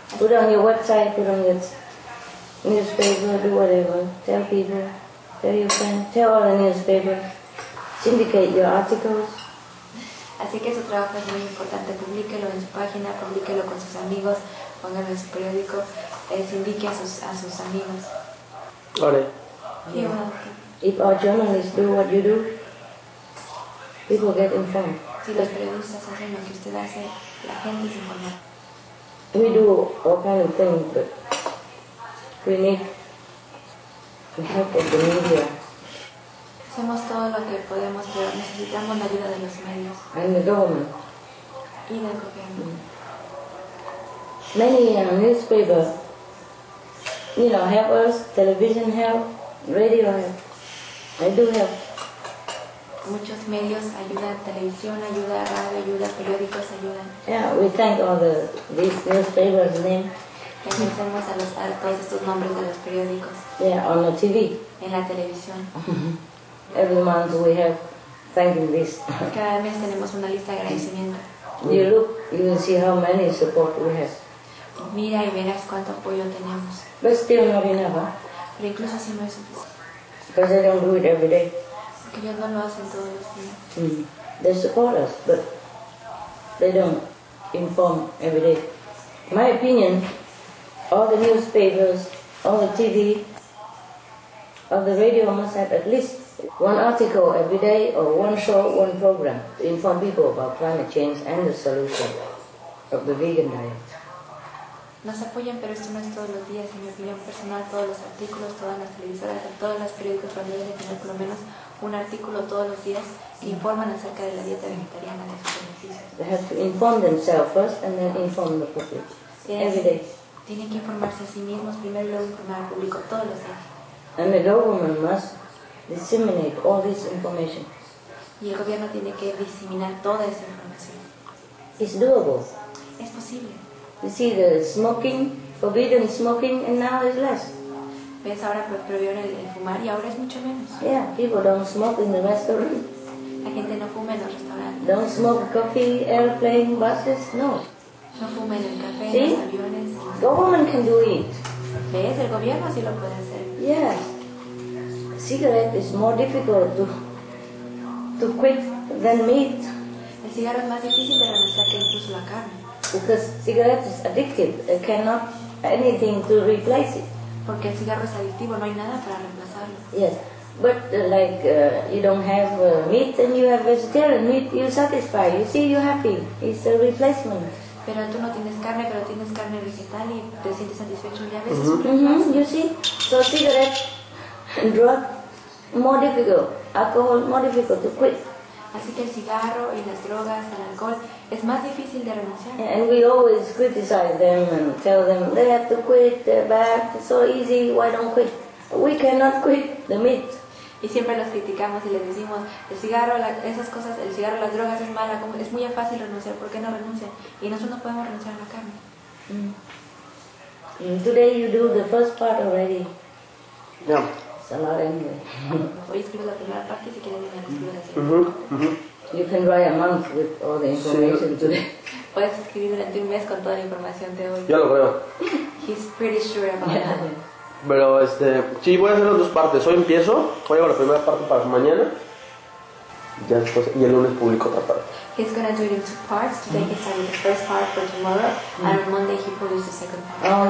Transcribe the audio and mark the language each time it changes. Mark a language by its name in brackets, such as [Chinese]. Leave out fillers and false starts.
[English] Put on your website, put on your newspaper, do whatever. Tell people, tell your friends, tell all the newspapers. Syndicate your articles. [Spanish] Así que su trabajo es muy importante. Publíquelo en su página, publíquelo con sus amigos, póngalo en su periódico, syndique a sus amigos. Vale. [English] If our journalists do what you do, people get informed. [Spanish] Si los periodistas hacen lo que usted hace, la gente se informa. [English] We do all kinds of things, but we need the help of the media. [Spanish] Hacemos todo lo que podemos, pero necesitamos la ayuda de los medios. [English] And the government. [Spanish] Y del gobierno. [English] Many newspapers, you know, help us, television help, radio help. They do help. [Spanish] Muchos medios ayudan, televisión ayuda, radio ayuda, periódicos ayudan. [English] Yeah, we thank all these newspapers' names. [Spanish] Agradecemos a todos estos nombres de los periódicos. [English] Yeah, on the TV. [Spanish] En la televisión. [English] Every month we have thanking list. [Spanish] Cada mes tenemos una lista de agradecimiento. [English] You look, you will see how many support we have. [Spanish] Mira y verás cuánto apoyo tenemos. [English] But still not enough, huh? [Spanish] Pero incluso así no es suficiente. [English] Because they don't do it every day. [Spanish] Que ellos no lo hacen todos los días. [English] They support us, but they don't inform every day. In my opinion, all the newspapers, all the TV, all the radio must have at least one article every day or one show, one program to inform people about climate change and the solution of the vegan diet. [Spanish] Nos apoyan, pero esto no es todos los días. En mi opinión personal, todos los artículos, todas las televisoras, todos los periódicos, cuando deben tener por lo menos un artículo todos los días que informan acerca de la dieta vegetariana, de sus beneficios. [English] They have to inform themselves first and then inform the public. Every day. [Spanish] Tienen que informarse a sí mismos primero y luego informar al público todos los días. [English] And the government must disseminate all this information. [Spanish] Y el gobierno tiene que diseminar toda esa información. [English] It's doable. [Spanish] Es posible. [English] You see the smoking, forbidden smoking, and now it's less. [Spanish] ves ahora prohibieron el fumar y ahora es mucho menos. [English] Yeah, people don't smoke in the restaurants. [Spanish] La gente no fuma en los restaurantes. [English] Don't smoke coffee, airplane, buses, no. [Spanish] No fuma en el café, en los aviones. [English] Government can do it. [Spanish] ¿Ves? El gobierno sí lo puede hacer. [English] Yes. Cigarette is more difficult to quit than meat. [Spanish] El cigarro es más difícil de renunciar que incluso la carne. [English] Because cigarette is addictive. It cannot anything to replace it. [Spanish] Porque el cigarro es adictivo, no hay nada para reemplazarlo. [English] Yes. But like you don't have meat and you have vegetarian meat, you satisfy, you see, you're happy. It's a replacement. [Spanish] Pero tú no tienes carne, pero tienes carne vegetal y te sientes satisfecho, ya ves. [English] You see, so cigarette drug more difficult, alcohol more difficult to quit. [Spanish] Así que el cigarro y las drogas, el alcohol, es más difícil de renunciar. [English] Yeah, and we always criticize them and tell them they have to quit, they're bad, it's so easy, why don't quit? We cannot quit the meat. [Spanish] Y siempre los criticamos y les decimos, el cigarro, esas cosas, el cigarro, las drogas es mala, es muy fácil renunciar, ¿por qué no renuncian? Y nosotros no podemos renunciar a la carne. [English] Mm. Today you do the first part already. Yeah. It's a lot anyway. [Spanish] Hoy escribes la primera parte y si quieres venir a escribir así. [English] You can write a month with all the information today. [Spanish] Puedes escribir durante un mes con toda la información de hoy. Ya lo creo. [English] He's pretty sure about that. [Spanish] Pero, sí, voy a hacer las dos partes. Hoy empiezo, hoy hago la primera parte para mañana. Ya después, y el lunes publico otra parte. [English] He's gonna do it in two parts. Today he's doing the first part for tomorrow. Mm-hmm. And on Monday he publishes the second part.